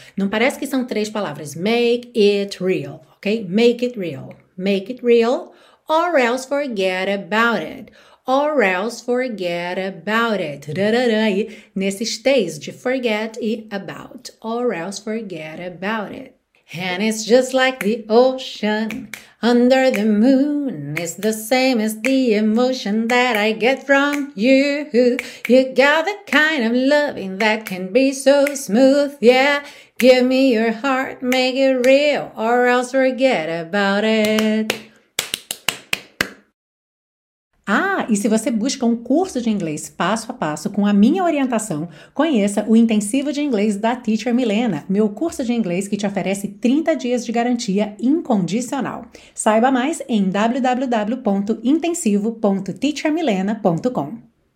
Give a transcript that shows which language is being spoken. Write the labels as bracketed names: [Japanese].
[Portuguese] Não parece que são três palavras, [English] make it real, [Portuguese] ok? [English] Make it real, or else forget about it. Or else forget about it. [Portuguese] Nesses T's de forget e about. [English] Or else forget about it. And it's just like the ocean under the moon. It's the same as the emotion that I get from you. You got the kind of loving that can be so smooth, yeah. Give me your heart, make it real. Or else forget about it. [Portuguese] Ah, e se você busca um curso de inglês passo a passo com a minha orientação, conheça o Intensivo de Inglês da Teacher Milena, meu curso de inglês que te oferece 30 dias de garantia incondicional. Saiba mais em www.intensivo.teachermilena.com.